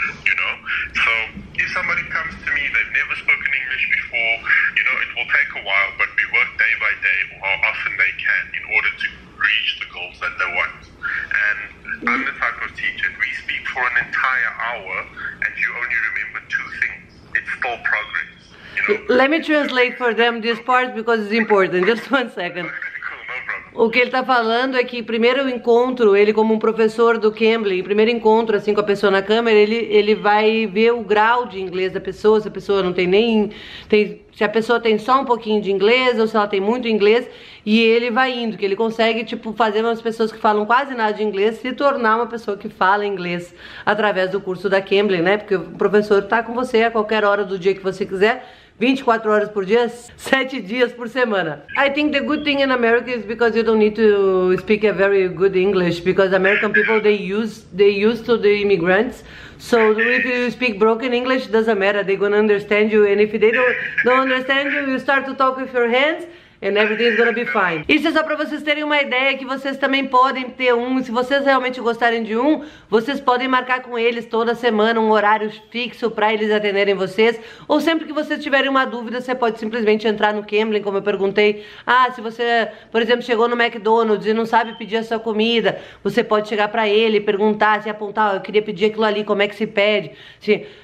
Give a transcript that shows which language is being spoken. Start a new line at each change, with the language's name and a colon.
English: You know, so if somebody comes to me, they've never spoken English before, you know, it will take a while, but we work day by day or how often they can in order to reach the goals that they want. And I'm the type of teacher, we speak for an entire hour and you only remember two things. It's still progress, you know. Let me translate for them this part because it's important. Just one second.
Portuguese: O que ele está falando é que primeiro encontro, ele como um professor do Cambly, primeiro encontro assim com a pessoa na câmera, ele vai ver o grau de inglês da pessoa, se a pessoa não tem nem... se a pessoa tem só um pouquinho de inglês ou se ela tem muito inglês, e ele vai indo, que ele consegue tipo fazer umas pessoas que falam quase nada de inglês se tornar uma pessoa que fala inglês através do curso da Cambly, né? Porque o professor está com você a qualquer hora do dia que você quiser, 24 horas por dia, 7 dias por semana.
English: I think the good thing in America is because you don't need to speak a very good English, because American people, they used to the immigrants. So if you speak broken English, doesn't matter, they're gonna understand you. And if they don't understand you, you start to talk with your hands and everything's gonna be fine.
Portuguese: Isso é só pra vocês terem uma ideia que vocês também podem ter um. Se vocês realmente gostarem de um, vocês podem marcar com eles toda semana um horário fixo pra eles atenderem vocês. Ou sempre que vocês tiverem uma dúvida, você pode simplesmente entrar no Cambly, como eu perguntei. Ah, se você, por exemplo, chegou no McDonald's e não sabe pedir a sua comida, você pode chegar pra ele e perguntar, se apontar, oh, eu queria pedir aquilo ali, como é que se pede? Se...